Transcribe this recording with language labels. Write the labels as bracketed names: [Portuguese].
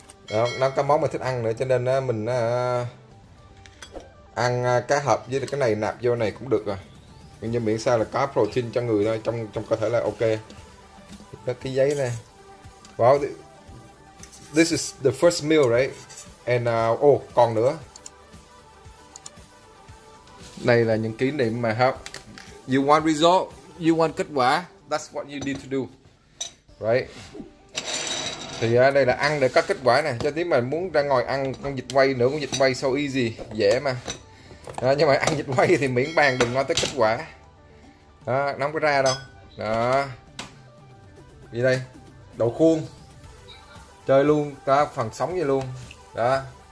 [Vietnamese] Đó, nó có món mình thích ăn nữa cho nên mình ăn cá hộp với cái này nạp vô này cũng được rồi, nhưng miễn sao là có protein cho người thôi, trong trong cơ thể là ok. Đó, cái giấy này. [English] Wow, this is the first meal right, and [Vietnamese] còn nữa, đây là những kỷ niệm mà ha. [English] You want result, you want [Vietnamese] kết quả, [English] that's what you need to do right. [Vietnamese] Thì đây là ăn để có kết quả này, cho tí mà muốn ra ngồi ăn con vịt quay nữa, con vịt quay [English] so easy, [Vietnamese] dễ mà. Đó, nhưng mà ăn vịt quay thì miễn bàn đừng nói tới kết quả. Đó, nó không có ra đâu. Đó. Vì đây, đậu khuôn. Chơi luôn, có phần sống vậy luôn. Đó.